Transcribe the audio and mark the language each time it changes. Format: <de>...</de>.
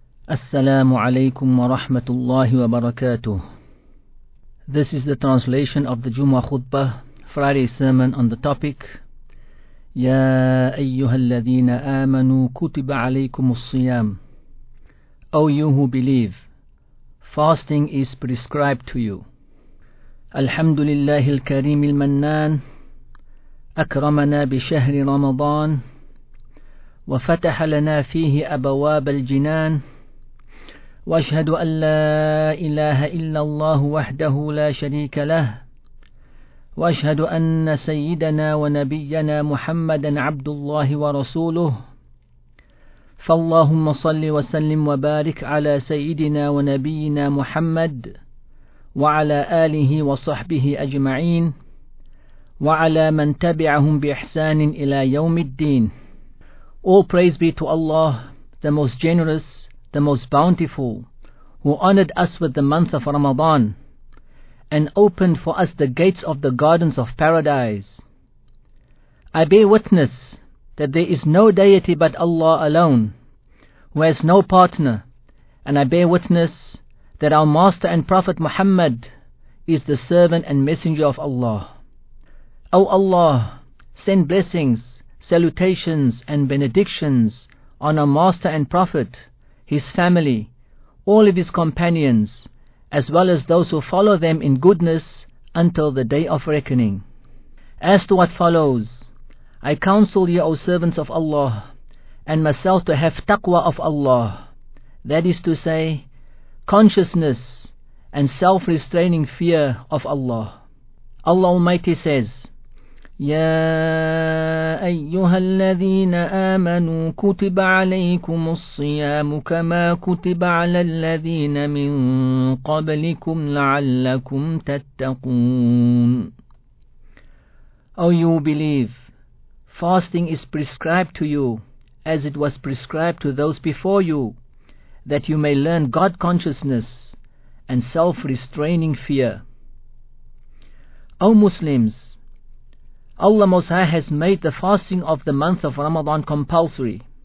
<ar>السلام عليكم ورحمة الله وبركاته.</ar> <en>This is the translation of the Jumu'ah khutbah, Friday sermon on the topic</en> <ar>يا أيها الذين آمنوا كتب عليكم الصيام.</ar> <en>O you who believe, fasting is prescribed to you.</en> <ar>الحمد لله الكريم المنان أكرمنا بشهر رمضان وفتح لنا فيه أبواب الجنان وأشهد أن لا إله إلا الله وحده لا شريك له وأشهد أن سيدنا ونبينا محمدا عبد الله ورسوله فاللهم صل وسلم وبارك على سيدنا ونبينا محمد وعلى آله وصحبه أجمعين وعلى من تبعهم بإحسان إلى يوم الدين.</ar> <en>All praise be to Allah, the most generous, the most bountiful, who honored us with the month of Ramadan and opened for us the gates of the gardens of paradise. I bear witness that there is no deity but Allah alone, who has no partner, and I bear witness that our master and prophet Muhammad is the servant and messenger of Allah. O Allah, send blessings, salutations and benedictions on our master and prophet, his family, all of his companions, as well as those who follow them in goodness until the day of reckoning. As to what follows, I counsel you, O servants of Allah, and myself to have taqwa of Allah, that is to say, consciousness and self-restraining fear of Allah. Allah Almighty says,</en> <ar>يا أيها الذين آمنوا كتب عليكم الصيام كما كتب على الذين من قبلكم لعلكم تتقون.</ar> <en>O you believe, fasting is prescribed to you as it was prescribed to those before you, that you may learn God consciousness and self-restraining fear. O Muslims, Allah Most High has made the fasting of the month of Ramadan compulsory.</en>